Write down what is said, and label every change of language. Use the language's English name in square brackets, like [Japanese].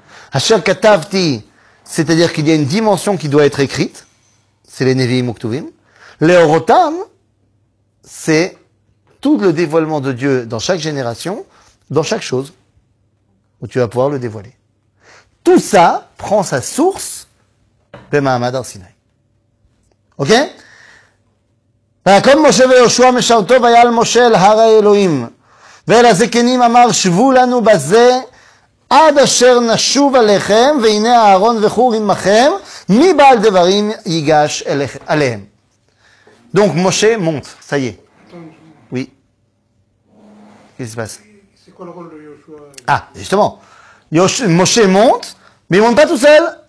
[Hebrew] Asher katavti, [French] c'est-à-dire qu'il y a une dimension qui doit être écrite, c'est les Nevi'im Uktuvim. Leorotam, c'est tout le dévoilement de Dieu dans chaque génération, dans chaque chose, où tu vas pouvoir le dévoiler. Tout ça prend sa source de Mahamad Arsinaï. Ok? [Hebrew] ויקום משה ויהושע משרתו ויעל משה אל הר האלוהים ואל הזקנים אמר שבו לנו בזה עד אשר נשוב עליכם והנה אהרון וחור עמכם מי בעל דברים ייגש עליהם. [French] Donc משה monte, ça y est. Attends, oui. Qu'est-ce qui se passe? C'est quoi le rôle de Yoshua? Ah, justement. Moshe monte, mais il monte pas tout seul.